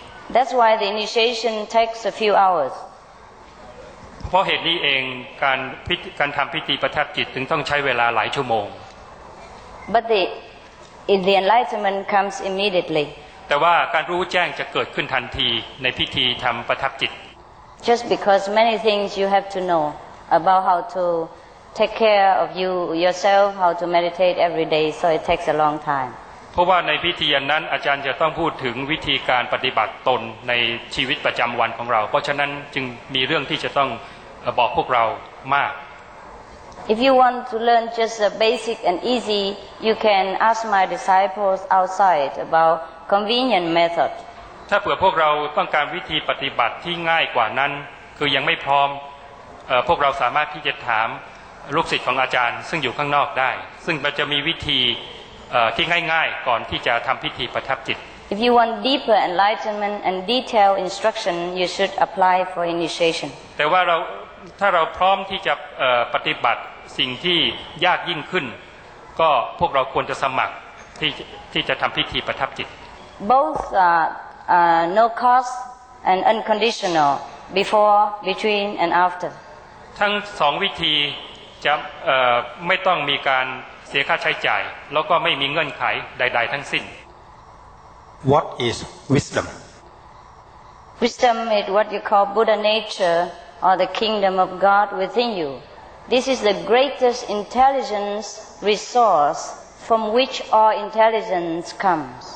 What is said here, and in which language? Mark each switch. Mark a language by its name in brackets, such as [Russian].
[English] That's why the initiation takes a few hours. [Thai] เพราะเหตุนี้เองการทำพิธีประทับจิตถึงต้องใช้เวลาหลายชั่วโมง [English] But the enlightenment comes immediately [Thai] แต่ว่าการรู้แจ้งจะเกิดขึ้นทันทีในพิธีทำประทับจิต [English] Just because many things you have to know about how to take care of you yourself how to meditate every day so it takes a long time [Thai] เพราะว่าในพิธีนั้นอาจารย์จะต้องพูดถึงวิธีการปฏิบัติตนในชีวิตประจำวันของเราเพราะฉะนั้นจึงมีเรื่องที่จะต้องบอกพวกเรามาก [English] If you want to learn just a basic and easy you can ask my disciples outside about convenient method [Thai] ถ้าเผื่อพวกเราต้องการวิธีปฏิบัติที่ง่ายกว่านั้นคือยังไม่พร้อมพวกเราสามารถที่จะถามลูกศิษย์ของอาจารย์ซึ่งอยู่ข้างนอกได้ซึ่งมันจะมีวิธีที่ง่ายๆก่อนที่จะทำพิธีประทับจิต [English] If you want deeper enlightenment and detailed instruction you should apply for initiation [Thai] แต่ว่าถ้าเราพร้อมที่จะปฏิบัติสิ่งที่ยากยิ่งขึ้นก็พวกเราควรจะสมัครที่จะทำพิธีประทับจิต [English] Both are no cost and unconditional before between and after [Thai] ทั้งสองวิธีจะไม่ต้องมีการเสียค่าใช้จ่ายแล้วก็ไม่มีเงื่อนไขใดๆทั้งสิ้น [English] What is wisdom? Wisdom is what you call Buddha nature or the kingdom of God within you. This is the greatest intelligence resource from which all intelligence comes.